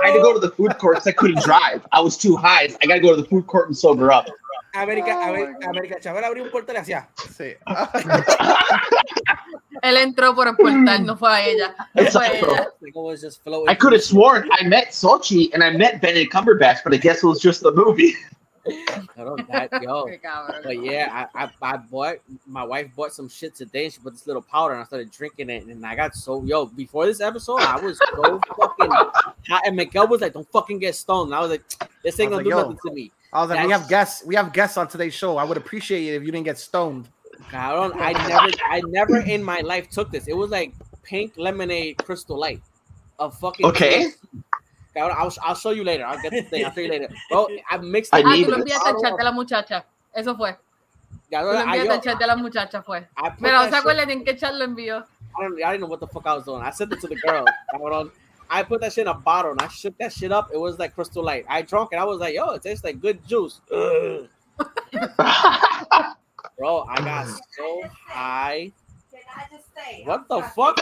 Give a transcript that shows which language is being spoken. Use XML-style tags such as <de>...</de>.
<en>I had to go to the food court because I couldn't drive. I was too high. I got to go to the food court and sober up.</en> <es>América, Chabela abrió un portal y hacía. Sí. Él entró por el portal, no fue a ella.</es> <en>I could have sworn I met Sochi and I met Benedict Cumberbatch, but I guess it was just the movie. But yeah, my wife bought some shit today and she put this little powder and I started drinking it and I got so, before this episode, I was so fucking hot and Miguel was like, don't fucking get stoned. And I was like, this ain't gonna do nothing to me. I was like, we have guests on today's show. I would appreciate it if you didn't get stoned. I never in my life took this. It was like pink lemonade Crystal Light. A fucking okay. Cabrón, I'll show you later. I'll get the thing. I'll show you later. Bro, I mixed it.</en> <es>Tú lo envías al chat de la muchacha. Eso fue. Cabrón, lo envías al chat de la muchacha fue. Pero se acuerdan en qué chat lo envió.</es> <en>I didn't know what the fuck I was doing. I sent it to the girl. Cabrón. I put that shit in a bottle and I shook that shit up. It was like Crystal Light. I drank it. I was like, yo, it tastes like good juice. Bro, I got so high. Can I just say, what the fuck?</en>